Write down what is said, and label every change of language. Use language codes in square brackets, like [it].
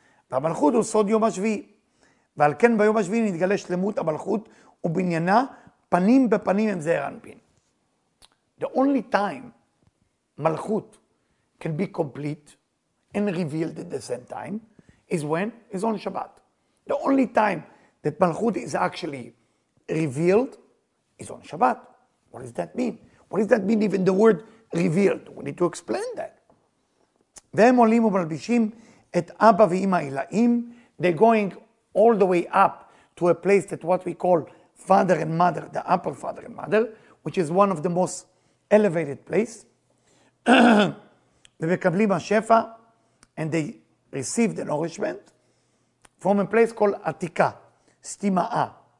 [he] והמלכות הוא סוד יום השביעי. ועל כן ביום השביעי נתגלה שלמות המלכות ובניינה פנים בפנים עם זעיר אנפין. [en] The only time מלכות can be complete and revealed at the same time is when it's on Shabbat. The only time that מלכות is actually revealed is on Shabbat. What does that mean? What does that mean, even the word revealed? We need to explain that. [he] והם עולים ומלבישים את אבא ואמא אלאים. [en] They're going all the way up to a place that what we call father and mother, the upper father and mother, which is one of the most elevated place. [he] ומקבלים השפע, [en] and they receive the nourishment from a place called Atika, Stima'a.